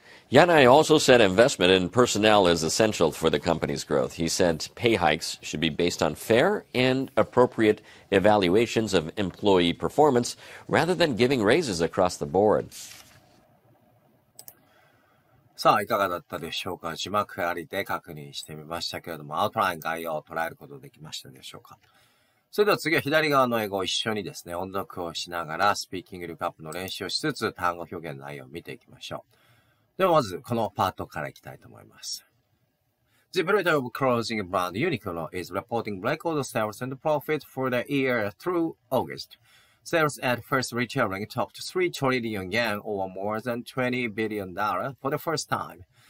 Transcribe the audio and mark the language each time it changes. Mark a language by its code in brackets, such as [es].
[en] Yanai also said investment in personnel is essential for the company's growth. He said pay hikes should be based on fair and appropriate evaluations of employee performance rather than giving raises across the board. [ja] さあ、いかがだったでしょうか。字幕ありで確認してみましたけれども、アウトライン概要を捉えることできましたでしょうか。それでは次は左側の英語を一緒にですね、音読をしながら、スピーキング力アップの練習をしつつ、単語表現の内容を見ていきましょう。ではまず、このパートからいきたいと思います。 [en] The operator of clothing brand Uniqlo is reporting record sales and profit for the year through August. Sales at first retailing topped 3 trillion yen or more than $20 billion for the first time.